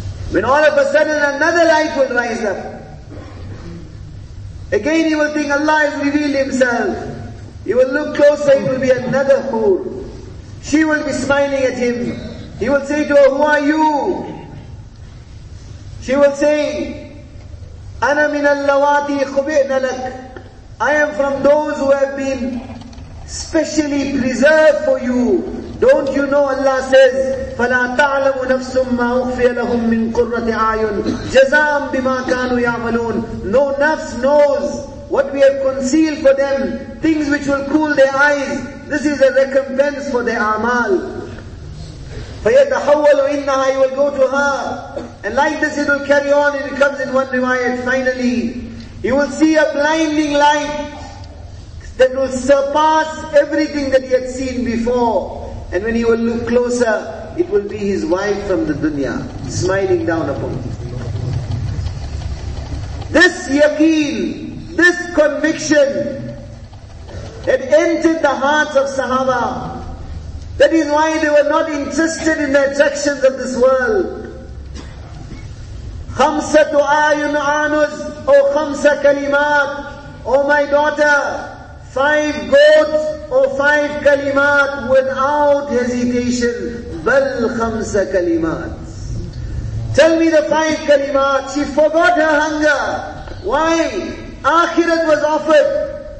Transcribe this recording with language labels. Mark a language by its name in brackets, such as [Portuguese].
[English] When all of a sudden another life will rise up. Again he will think Allah has revealed himself. He will look closer, it will be another hoor. She will be smiling at him. He will say to her, who are you? [Arabic] She will say, أَنَا مِنَ اللَّوَاتِ خُبِئْنَ لَكَ. [English] I am from those who have been specially preserved for you. [Arabic] Don't you know, Allah says, فَلَا تَعْلَمُ نَفْسٌ مَا أُخْفِيَ لَهُمْ مِنْ قُرَّةِ عَيُنْ جَزَاءً بِمَا كَانُوا يَعْمَلُونَ. [English] No nafs knows what we have concealed for them, things which will cool their eyes. This is a recompense for their amal. فَيَتَحَوَّلُ إِنَّهَا. He will go to her. And like this it will carry on, and it comes in one riwayat. Finally, he will see a blinding light that will surpass everything that he had seen before. And when he will look closer, it will be his wife from the dunya, smiling down upon him. This yaqeen, this conviction had entered the hearts of Sahaba. That is why they were not interested in the attractions of this world. [Arabic] خَمْسَةُ آيُنْ عَانُزْ أو خَمْسَ كَلِمَاتْ. [English] O my daughter, five goats or five kalimat without hesitation. بَلْ خَمْسَ كَلِمَاتْ. Tell me the five kalimat. She forgot her hunger. Why? Akhirat was offered.